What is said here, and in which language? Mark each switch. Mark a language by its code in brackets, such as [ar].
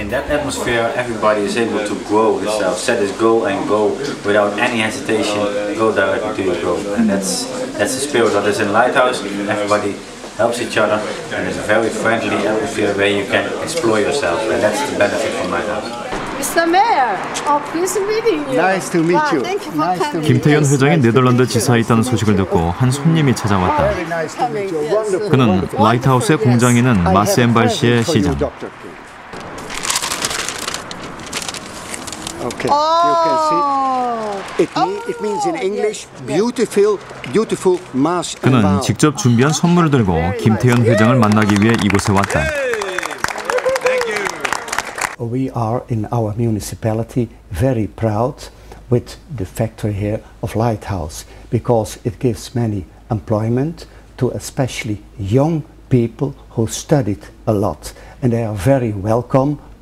[en] Atmosphere, everybody is able to grow itself, set his goal and go without any hesitation, go directly to your goal. And that's the spirit that is in Lighthouse. Everybody helps each other, and it's a very friendly atmosphere where you can explore yourself, and that's the benefit from Lighthouse. Mr. Mayor, oh, please meeting you. Nice to meet you. Thank you for coming. [ko] 김태현 회장이 네덜란드 지사에 있다는 소식을 듣고 한 손님이 찾아왔다. 그는 라이트하우스의 공장에는 마스엠발시의 시장. [en] Okay, oh. you can see. It means in English, beautiful, beautiful mass. [ko] 그는 직접 준비한 선물을 들고 김태현 회장을 만나기 위해 이곳에 왔다. [en] Thank you. We are in our municipality very proud with the factory here of Lighthouse because it gives many employment to especially young people who studied a lot and they are very welcome.